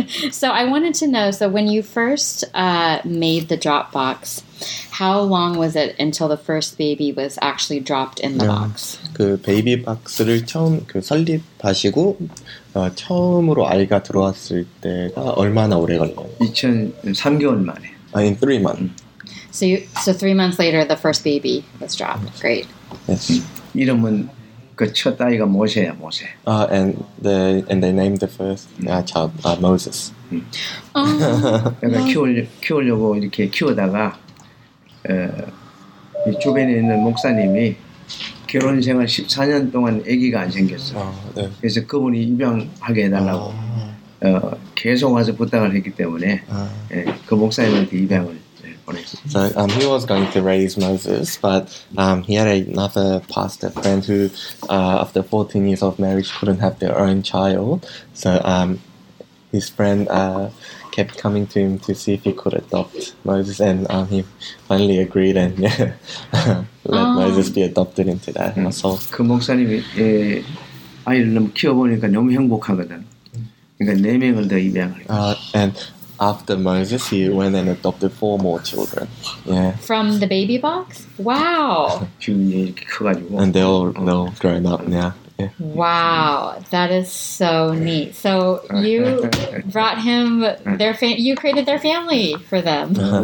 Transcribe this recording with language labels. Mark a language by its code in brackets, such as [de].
[en] So I wanted to know. So when you first made the drop box, how long was it until the first baby was actually dropped in the box? [ko] 그 베이비 박스를 처음 그 설립하시고 처음으로 아이가 들어왔을 때가 얼마나 오래 걸렸나요? 3개월 만에. [en] I mean 3 months. So 3 months later, the first baby was dropped. Great. Yes. [ko] 이름은 그 첫 아이가 모세야, 모세. [en] And they named the first child Moses. [ko] 내가 키우려고 이렇게 키우다가 이 주변에 있는 목사님이 결혼 생활 14년 동안 아기가 안 생겼어. 그래서 그분이 입양하게 해달라고 계속 와서 부탁을 했기 때문에 그 목사님한테 입양을. [en] So he was going to raise Moses, but he had another pastor friend who, after 14 years of marriage, couldn't have their own child. So his friend kept coming to him to see if he could adopt Moses, and he finally agreed and let Moses be adopted into that household. [ko] 그 목사님이 아이를 너무 키워보니까 너무 행복하거든. 그러니까 네 명을 더 입양을. [en] After Moses, he went and adopted 4 more children. Yeah. From the baby box? Wow. And they're all grown up now. Yeah. Wow, that is so neat. So you brought him their you created their family for them.